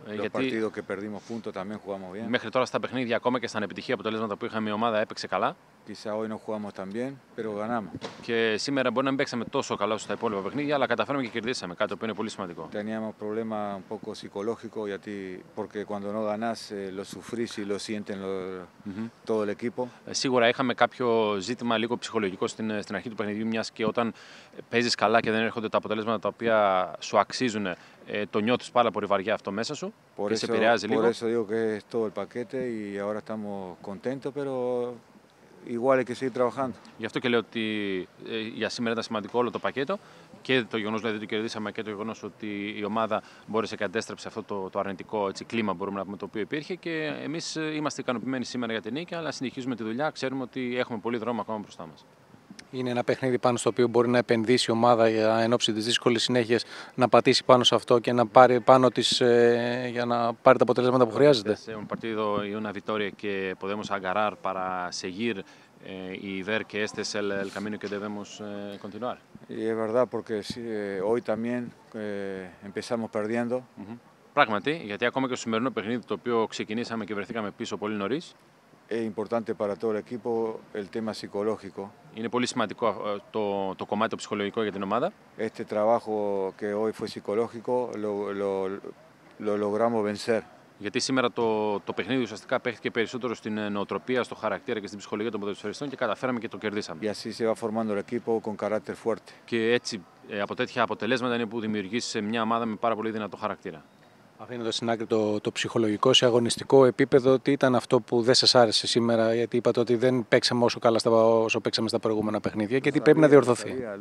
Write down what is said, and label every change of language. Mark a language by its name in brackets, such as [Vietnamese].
[Greek] Γιατί [Spanish] los partidos que perdimos punto también jugamos bien. [Greek] Μέχρι τώρα στα παιχνίδια, ακόμα και στα ανεπιτυχία αποτελέσματα που είχαμε, η ομάδα έπαιξε καλά. [Spanish] Quizá hoy no jugamos tan bien, pero ganamos. [Greek] Και σήμερα μπορεί να μην παίξαμε τόσο καλά στα υπόλοιπα παιχνίδια, αλλά καταφέραμε και κερδίσαμε, κάτι που είναι πολύ σημαντικό. [Spanish] Teníamos problema un poco psicológico, [Greek] γιατί, [Spanish] porque cuando no ganas, lo sufrís y lo sienten todo el equipo. [Greek] Σίγουρα είχαμε κάποιο ζήτημα λίγο ψυχολογικό στην αρχή του παιχνιδιού, μιας και όταν παίζεις καλά και δεν έρχονται τα αποτελέσματα τα οποία σου αξίζουν, το νιώθεις πάρα πολύ βαριά αυτό μέσα σου [Spanish] por [Greek] και [Spanish] eso, [Greek] σε επηρεάζει [Spanish] por [Greek] λίγο. [Spanish] Por eso digo que es todo el paquete y ahora estamos contentos, pero igual hay que seguir trabajando. [Greek] Γι' αυτό και λέω ότι για σήμερα ήταν σημαντικό όλο το πακέτο, και το γεγονός δηλαδή ότι κερδίσαμε και το γεγονός ότι η ομάδα μπόρεσε και αντέστρεψε αυτό το αρνητικό έτσι, κλίμα, μπορούμε να πούμε, το οποίο υπήρχε, και εμείς είμαστε ικανοποιημένοι σήμερα για την νίκη, αλλά συνεχίζουμε τη δουλειά, ξέρουμε ότι έχουμε πολύ δρόμο ακόμα μπροστά μας. Είναι ένα παιχνίδι πάνω στο οποίο μπορεί να επενδύσει η ομάδα για εν ώψη τις δύσκολες συνέχειες, να πατήσει πάνω σε αυτό και να πάρει πάνω της, για να πάρει τα αποτελέσματα που χρειάζεται. [Spanish] Σε un partido y una victoria que podemos agarrar para seguir y ver que este es el camino que debemos continuar. Y es verdad porque hoy también empezamos perdiendo. [Greek] Πράγματι, γιατί ακόμα και στο σημερινό παιχνίδι, το οποίο ξεκινήσαμε και βρεθήκαμε πίσω πολύ νωρίς, είναι [Spanish] importante para todo el equipo el tema psicológico. [Greek] Είναι πολύ σημαντικό το κομμάτι ψυχολογικό για την ομάδα. [Spanish] Este trabajo que hoy fue psicológico lo logramos vencer. [Greek] Γιατί σήμερα το παιχνίδι ουσιαστικά παίχτηκε περισσότερο στην νοοτροπία, στο χαρακτήρα και στην ψυχολογία των ποδοσφαιριστών, και καταφέραμε και το κερδίσαμε. [Spanish] Y así se va formando el equipo con carácter fuerte. [Greek] Και έτσι από τέτοια αποτελέσματα είναι που δημιουργήσει μια ομάδα με πάρα πολύ δυνατό χαρακτήρα. Αφήνοντα στην άκρη το ψυχολογικό, σε αγωνιστικό επίπεδο, τι ήταν αυτό που δεν σας άρεσε σήμερα? Γιατί είπατε ότι δεν παίξαμε όσο καλά όσο παίξαμε στα προηγούμενα παιχνίδια, και τι πρέπει να διορθωθεί?